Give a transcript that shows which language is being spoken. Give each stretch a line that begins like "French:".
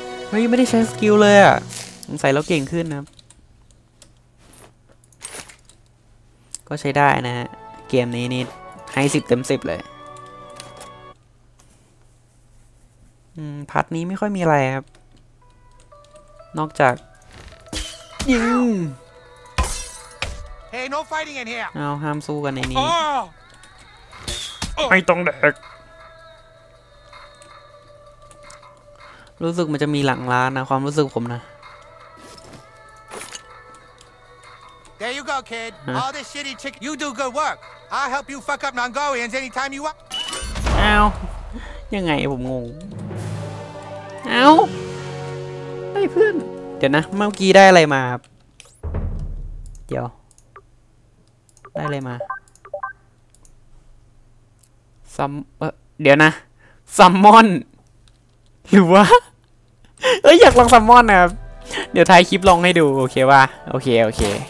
Thai: เฮ้ยไม่ได้ใช้สกิลเลยอ่ะใส่เราเก่งขึ้นนะก็ใช้ได้นะฮะเกมนี้นี่ให้10เต็ม10เลยพาร์ทนี้ไม่ค่อยมีอะไรครับนอกจากยิง
English: Hey no fighting in here
Thai: เอาห้ามสู้กันในนี้ไม่ต้องแดก รู้สึกมันจะมีหลังร้านนะความรู้สึกผมนะ
English: There you go kid All this shitty chick you do good work I'll help you fuck up Mongolians anytime you want
Thai: เอายังไงผมงงเอาไอ้เพื่อนเดี๋ยวนะเมื่อกี้ได้อะไรมาครับเดี๋ยวได้อะไรมาซัมเดี๋ยวนะซัมมอนหรือว่าเอ้ยอยากลองซัมมอนนะครับเดี๋ยวท้ายคลิปลองให้ดูโอเคป่ะโอเคโอเค